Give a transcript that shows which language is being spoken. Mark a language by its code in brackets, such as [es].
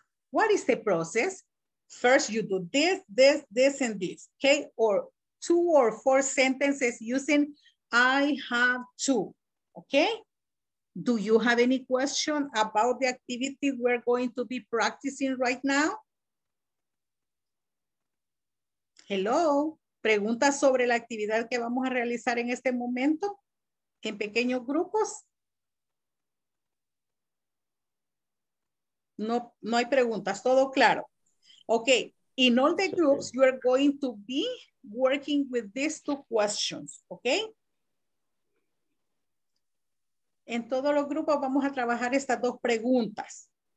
[en] What is the process? First, you do this, this, this, and this, okay? Or two or four sentences using I have to, okay? Do you have any question about the activity we're going to be practicing right now? Hello, [es] preguntas sobre la actividad que vamos a realizar en este momento en pequeños grupos. No, no hay preguntas, todo claro. [en] Okay, in all the groups, you are going to be working with these two questions, okay? [es] En todos los grupos vamos a trabajar estas dos preguntas.